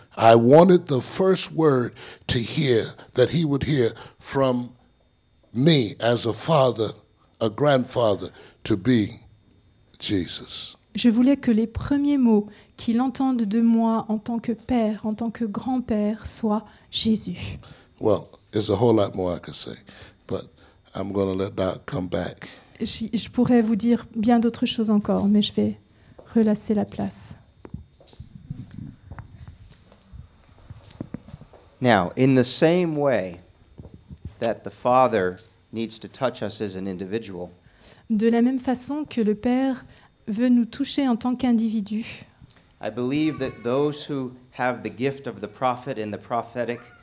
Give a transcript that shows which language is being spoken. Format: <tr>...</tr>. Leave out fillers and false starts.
<en>I wanted the first word to hear that he would hear from me as a father, a grandfather, to be Jesus.</en> <fr>Je voulais que les premiers mots qu'il entende de moi en tant que père, en tant que grand-père, soient Jésus.</fr> <en>Well, there's a whole lot more I could say, but I'm going to let Doc come back.</en> <fr>Je pourrais vous dire bien d'autres choses encore, mais je vais relâcher la place.</fr> <en>Now, in the same way that the Father needs to touch us as an individual,</en> <fr>de la même façon que le Père veut nous toucher en tant qu'individu.</fr> <en>I believe that those who have the gift of the prophet and the prophetic</en>